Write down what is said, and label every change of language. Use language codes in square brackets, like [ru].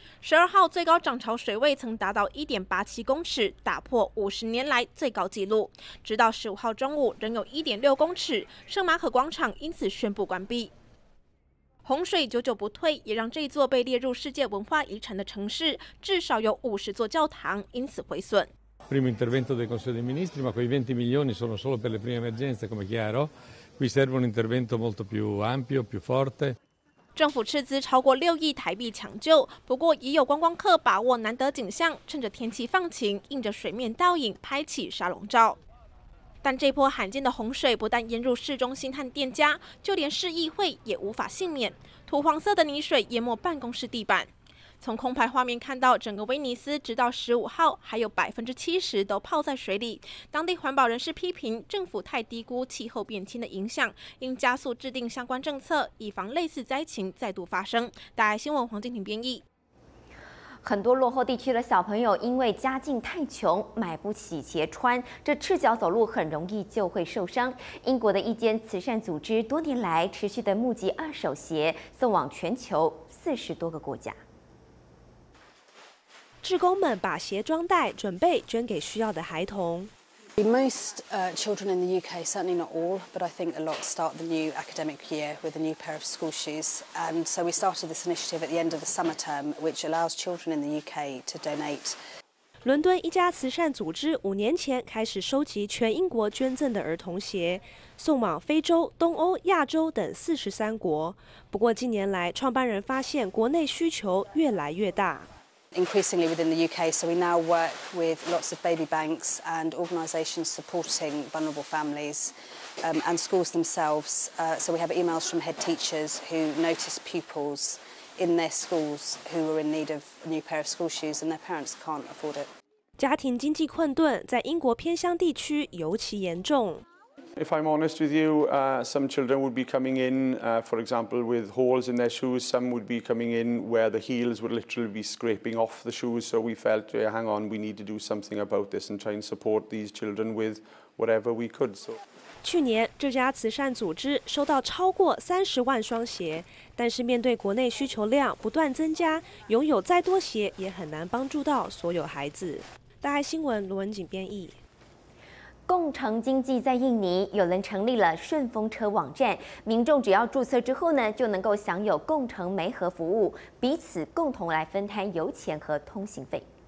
[zh] 十二号最高涨潮水位曾达到1.87公尺，打破50年来最高纪录。直到十五号中午，仍有1.6公尺，圣马可广场因此宣布关闭。洪水久久不退，也让这座被列入世界文化遗产的城市至少有50座教堂因此毁损。 [it] Primo intervento del Consiglio dei Ministri, ma quei 20 milioni sono solo per le prime emergenze, come chiaro. Qui serve un intervento molto più ampio, più forte. [zh] 政府斥资超过6亿台币抢救，不过也有观光客把握难得景象，趁着天气放晴，映着水面倒影拍起沙龙照。但这波罕见的洪水不但淹入市中心和店家，就连市议会也无法幸免，土黄色的泥水淹没办公室地板。从空拍画面看到，整个威尼斯直到十五号还有70%都泡在水里。当地环保人士批评政府太低估气候变迁的影响，应加速制定相关政策，以防类似灾情再度发生。大爱新闻黄静婷编译。很多落后地区的小朋友因为家境太穷，买不起鞋穿，这赤脚走路很容易就会受伤。英国的一间慈善组织多年来持续的募集二手鞋，送往全球40多个国家。志工们把鞋装袋准备捐给需要的孩童。 [en] Most children in the UK, certainly not all, but I think a lot start the new academic year with a new pair of school shoes. And so we started this initiative at the end of the summer term, which allows children in the UK to donate. [zh] 伦敦一家慈善组织5年前开始收集全英国捐赠的儿童鞋，送往非洲、东欧、亚洲等43国。不过近年来，创办人发现国内需求越来越大。 [en] Increasingly within the UK, so we now work with lots of baby banks and organisations supporting vulnerable families, and schools themselves. So we have emails from head teachers who notice pupils in their schools who are in need of a new pair of school shoes and their parents can't afford it. [zh] 家庭经济困顿在英国偏乡地区尤其严重。 [en] If I'm honest with you, some children would be coming in, for example, with holes in their shoes. Some would be coming in where the heels would literally be scraping off the shoes. So we felt, yeah, hang on, we need to do something about this and try and support these children with whatever we could. So, [zh] 去年这家慈善组织收到超过30万双鞋，但是面对国内需求量不断增加，拥有再多鞋也很难帮助到所有孩子。大爱新闻罗文锦编译。共乘经济在印尼有人成立了顺风车网站，民众只要注册之后呢，就能够享有共乘媒合服务，彼此共同来分摊油钱和通行费。